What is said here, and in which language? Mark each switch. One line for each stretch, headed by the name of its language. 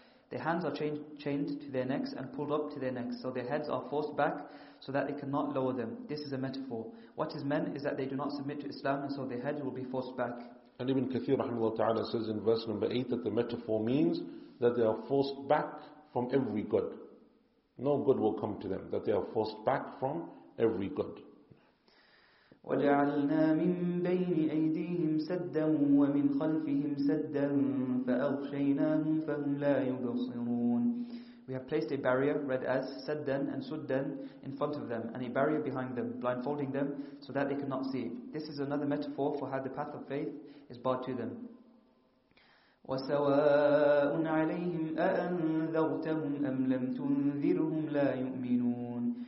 English: Their hands are chained to their necks and pulled up to their necks, so their heads are forced back, so that they cannot lower them. This is a metaphor. What is meant is that they do not submit to Islam, and so their head will be forced back. And Ibn Kathir rahimahullah ta'ala says in verse number 8 that the metaphor means that they are forced back from every good. No good will come to them, that they are forced back from every good.
Arabic: وجعلنا من بين أيديهم سدا ومن خلفهم سدا فأغشيناهم فهم لا يبصرون.
English: We have placed a barrier, read as saddan and suddan, in front of them, and a barrier behind them, blindfolding them, so that they could not see. This is another metaphor for how the path of faith is barred to them.
Arabic: وَسَوَاءٌ عَلَيْهِمْ أَأَنذَرْتَهُمْ أَمْ لَمْ تُنذِرْهُمْ لَا يُؤْمِنُونَ.